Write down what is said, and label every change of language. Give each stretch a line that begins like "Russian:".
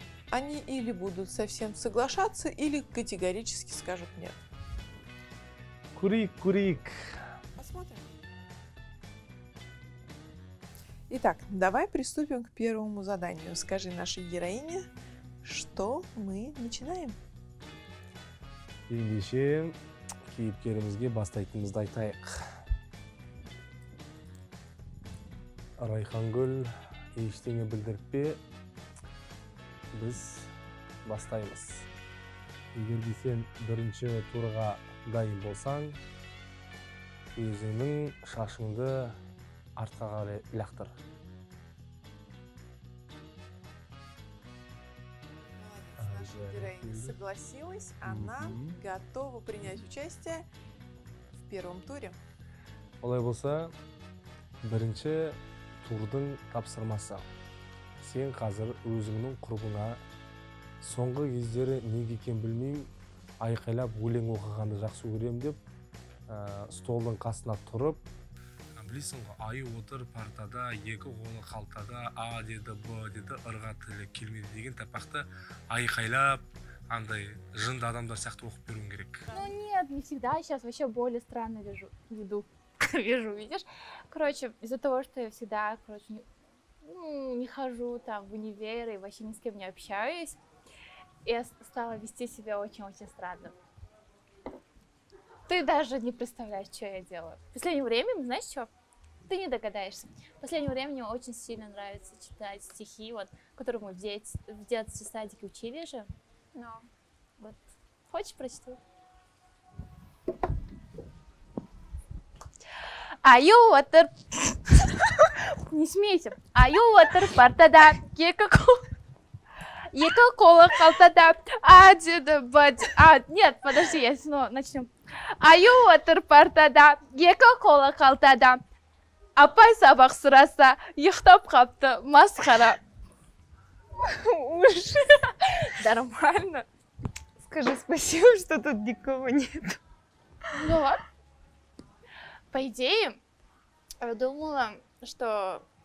Russian: Они или будут совсем соглашаться, или категорически скажут нет. Курик-курик. Посмотрим. Итак, давай приступим к первому заданию. Скажи нашей героине, что мы начинаем.
Kazakh: Ендеше, кейіпкерімізге бастайтынымызды айтайық. Райхангүл, ештеңе білдіртпе. Біз бастаймыз. Егер де сен бірінші турға дайын болсаң, өзіңнің шашыңды артқа қарай лақтыр.
Russian: Наша героиня согласилась. Она готова принять участие в первом туре.
Kazakh: Олай болса, бірінші турдың тапсырмасы. Сен қазір өзіңнің құрбыңа соңғы кездері неге екен білмеймін, айқайлап өлең оқығанды жақсы көремін деп столдың қасына тұрып, білесің ғой, айы отыр партада, екі қолы қалтада, а деді, б деді, ырға тілі келмейді деген тапақты айқайлап андай жынды адамдар сияқты оқып беруің керек.
Russian: Ну нет, не всегда, сейчас вообще более странно вижу, видишь? Короче, из-за того, что я всегда, короче, не хожу там в универ и вообще ни с кем не общаюсь. Я стала вести себя очень-очень странно. Ты даже не представляешь, что я делаю. В последнее время, знаешь что? Ты не догадаешься. В последнее время мне очень сильно нравится читать стихи, вот, которые мы в детстве садике учили же. Но. Вот. Хочешь, прочту? Are you water? Не смейся. Are you water? Партада.
Kazakh: Екі қолы қалтада, а деді, б деді,
Russian: а, нет, подожди, я снова начнем.
Kazakh: Айу отыр партада, екі қолы қалтада, апай сабақ сұраса, ұйықтап қапты, масқара.
Russian: Уши. Нормально. Скажи спасибо, что тут никого нет. Ну ладно. По идее, я думала, что...